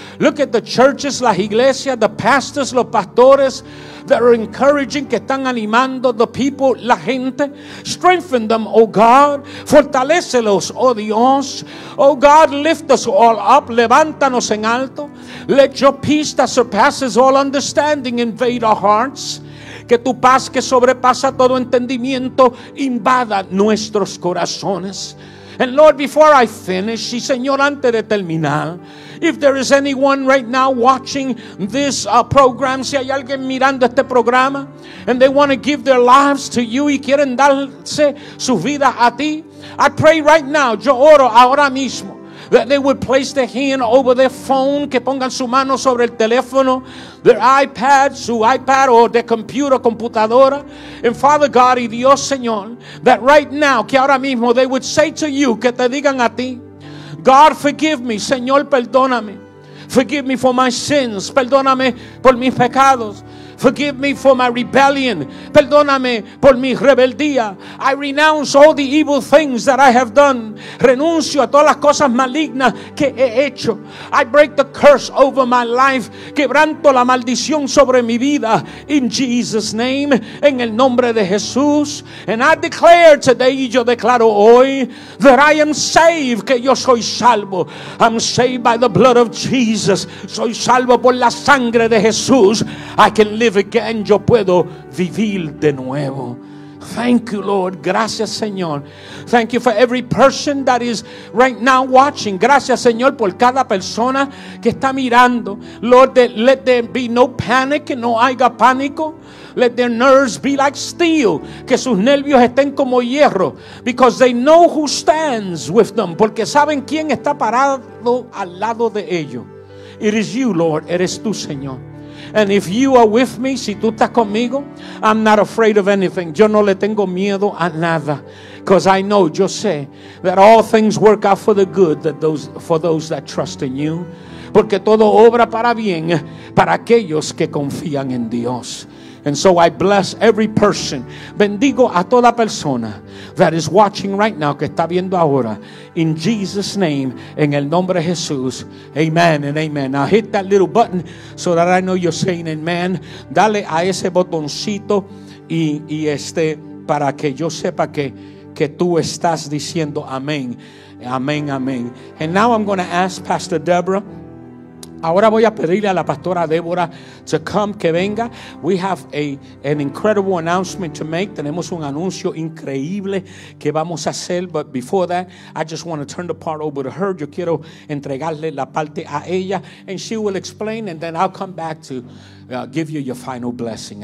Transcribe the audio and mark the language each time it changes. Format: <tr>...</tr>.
<en>Look at the churches,</en> <es>las iglesias,</es> <en>the pastors,</en> <es>los pastores</es> <en>that are encouraging,</en> <es>que están animando</es> <en>the people,</en> <es>la gente.</es> <en>Strengthen them. them, oh God.</en> <es>Fortalécelos, oh Dios.</es> <en>Oh God, lift us all up.</en> <es>Levántanos en alto.</es> <en>Let your peace that surpasses all understanding invade our hearts.</en> <es>Que tu paz que sobrepasa todo entendimiento invada nuestros corazones.</es> <en>And Lord, before I finish,</en> <es>y Señor, antes de terminar,</es> <en>if there is anyone right now watching this program,</en> <es>si hay alguien mirando este programa,</es> <en>and they want to give their lives to you,</en> <es>y quieren darse su vida a ti,</es> <en>I pray right now,</en> <es>yo oro ahora mismo,</es> <en>that they would place their hand over their phone,</en> <es>que pongan su mano sobre el teléfono,</es> <en>their iPad,</en> <es>su iPad,</es> <en>or their computer,</en> <es>computadora.</es> <en>And Father God,</en> <es>y Dios Señor,</es> <en>that right now,</en> <es>que ahora mismo,</es> <en>they would say to you,</en> <es>que te digan a ti,</es> <en>God, forgive me,</en> <es>Señor, perdóname.</es> <en>Forgive me for my sins,</en> <es>perdóname por mis pecados.</es> <en>Forgive me for my rebellion.</en> <es>Perdóname por mi rebeldía.</es> <en>I renounce all the evil things that I have done.</en> <es>Renuncio a todas las cosas malignas que he hecho.</es> <en>I break the curse over my life.</en> <es>Quebranto la maldición sobre mi vida.</es> <en>In Jesus' name,</en> <es>en el nombre de Jesús.</es> <en>And I declare today,</en> <es>y yo declaro hoy,</es> <en>that I am saved,</en> <es>que yo soy salvo.</es> <en>I'm saved by the blood of Jesus.</en> <es>Soy salvo por la sangre de Jesús.</es> <en>I can live again,</en> <es>yo puedo vivir de nuevo.</es> <en>Thank you, Lord.</en> <es>Gracias, Señor.</es> <en>Thank you for every person that is right now watching.</en> <es>Gracias, Señor, por cada persona que está mirando.</es> <en>Lord, let there be no panic,</en> <es>no haya pánico.</es> <en>Let their nerves be like steel.</en> <es>Que sus nervios estén como hierro.</es> <en>Because they know who stands with them. Porque saben quién está parado al lado de ellos. It is you, Lord.</en> <es>Eres tú, Señor.</es> <en>And if you are with me,</en> <es>si tú estás conmigo,</es> <en>I'm not afraid of anything.</en> <es>Yo no le tengo miedo a nada.</es> <en>Because I know,</en> <es>yo sé,</es> <en>that all things work out for the good that those for those that trust in you.</en> <es>Porque todo obra para bien para aquellos que confían en Dios.</es> <en>And so I bless every person.</en> <es>Bendigo a toda persona</es> <en>that is watching right now,</en> <es>que está viendo ahora.</es> <en>In Jesus' name,</en> <es>en el nombre de Jesús.</es> <en>Amen and amen. Now hit that little button so that I know you're saying amen.</en> <es>Dale a ese botoncito y este para que yo sepa que tú estás diciendo amén. Amén, amén.</es> <en>And now I'm going to ask Pastor Deborah.</en> <es>Ahora voy a pedirle a la pastora Débora</es> <en>to come,</en> <es>que venga.</es> <en>We have an incredible announcement to make.</en> <es>Tenemos un anuncio increíble que vamos a hacer.</es> <en>But before that, I just want to turn the part over to her.</en> <es>Yo quiero entregarle la parte a ella.</es> <en>And she will explain, and then I'll come back to give you your final blessing.</en>